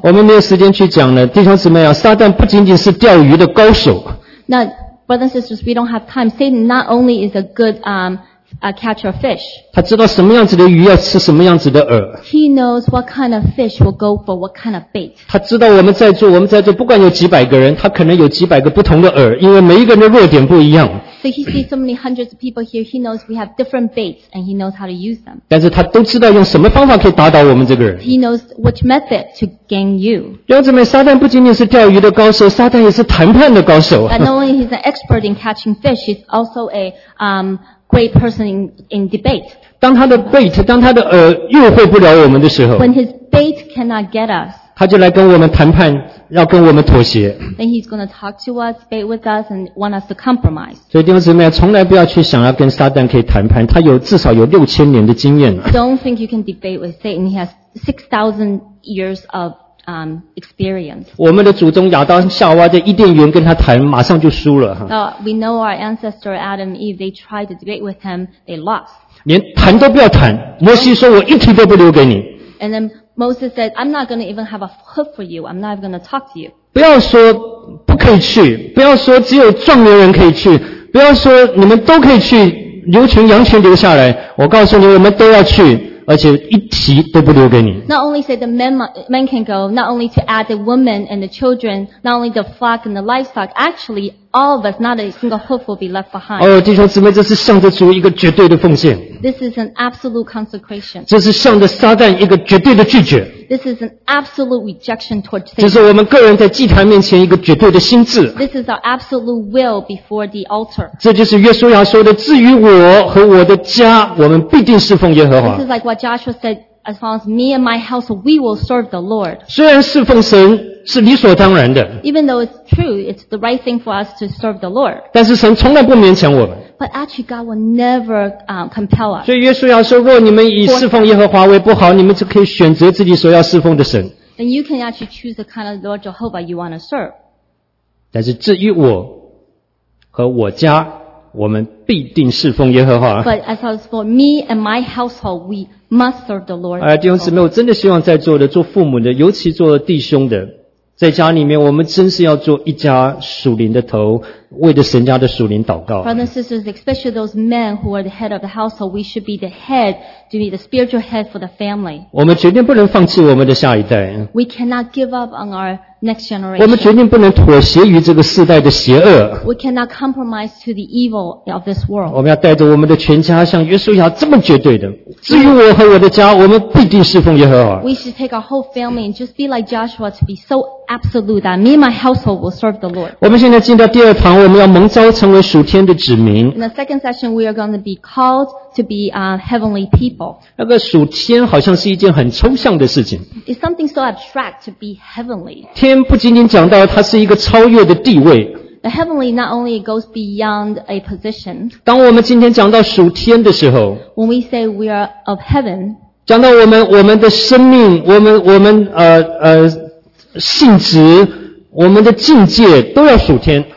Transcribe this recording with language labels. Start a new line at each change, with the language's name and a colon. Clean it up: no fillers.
Chinese: 我们没有时间去讲了，弟兄姊妹啊，撒旦不仅仅是钓鱼的高手。
English: 那 brothers and sisters, we don't have time. Satan not only is a good a catcher of fish.
Chinese: 他知道什么样子的鱼要吃什么样子的饵。
English: He knows what kind of fish will go for what kind of bait.
Chinese: 他知道我们在座不管有几百个人，他可能有几百个不同的饵，因为每一个人的弱点不一样。
English: So he sees so many hundreds of people here, he knows we have different baits, and he knows how to use them.
Chinese: 但是他都知道用什么方法可以打倒我们这个人。
English: He knows which method to gain you.
Chinese: 弟兄姊妹，撒旦不仅仅是钓鱼的高手，撒旦也是谈判的高手。
English: But not only he's an expert in catching fish, he's also a, great person in debate.
Chinese: 当他的 bait, 当他的饵诱惑不了我们的时候。
English: When his bait cannot get us.
Chinese: 他就来跟我们谈判。要跟我们妥协。
English: Then he's going to talk to us, bait with us, and want us to compromise.
Chinese: 所以弟兄姊妹，从来不要去想要跟撒旦可以谈判，他有至少有六千年的经验。
English: Don't think you can debate with Satan. He has 6,000 years of experience.
Chinese: 我们的祖宗亚当夏娃在伊甸园跟他谈，马上就输了。
English: We know our ancestor Adam Eve. They tried to debate with him. They lost.
Chinese: 连谈都不要谈。摩西说：“我一题都不留给你。”
English: And then. Moses said, I'm not going to even have a hook for you. I'm not even going to talk to you.
Chinese: 不要说不可以去，不要说只有壮年人可以去，不要说你们都可以去，牛群羊群留下来。我告诉你，我们都要去，而且一提都不留给你。
English: Not only said the men can go, not only to add the women and the children, not only the flock and the livestock, actually all of us, not a single hoof will be left behind.
Chinese: 弟兄姊妹，这是向着主一个绝对的奉献。
English: This is an absolute consecration.
Chinese: 这是向着撒旦一个绝对的拒绝。
English: This is an absolute rejection towards Satan.
Chinese: 这是我们个人在祭坛面前一个绝对的心智。
English: This is our absolute will before the altar.
Chinese: 这就是约书亚说的，至于我和我的家，我们必定侍奉耶和华。
English: This is like what Joshua said, as far as me and my house, we will serve the Lord.
Chinese: 虽然侍奉神是理所当然的。
English: Even though it's true, it's the right thing for us to serve the Lord.
Chinese: 但是神从来不勉强我们。
English: But actually, God will never compel us.
Chinese: 所以耶稣要说，若你们以侍奉耶和华为不好，你们就可以选择自己所要侍奉的神。
English: Then you can actually choose the kind of Lord Jehovah you want to serve.
Chinese: 但是至于我和我家，我们必定侍奉耶和华。
English: But as far as for me and my household, we must serve the Lord.
Chinese: 弟兄姊妹，我真的希望在座的做父母的，尤其做弟兄的。在家里面，我们真是要做一家属灵的头，为着神家的属灵祷告。
English: Brothers and sisters, especially those men who are the head of the household, we should be the head, to be the spiritual head for the family.
Chinese: 我们绝对不能放弃我们的下一代。
English: We cannot give up on our next generation.
Chinese: 我们绝对不能妥协于这个世代的邪恶。
English: We cannot compromise to the evil of this world.
Chinese: 我们要带着我们的全家，像约书亚这么绝对的。至于我和我的家，我们必定侍奉耶和华。
English: We should take our whole family and just be like Joshua to be so absolute that me and my household will serve the Lord.
Chinese: 我们现在进到第二堂，我们要蒙召成为属天的子民。
English: In the second session, we are going to be called to be heavenly people.
Chinese: 那个属天好像是一件很抽象的事情。
English: It's something so abstract to be heavenly.
Chinese: 天不仅仅讲到它是一个超越的地位。
English: The heavenly not only goes beyond a position.
Chinese: 当我们今天讲到属天的时候，
English: When we say we are of heaven,
Chinese: 讲到我们的生命，我们性质，我们的境界都要属天。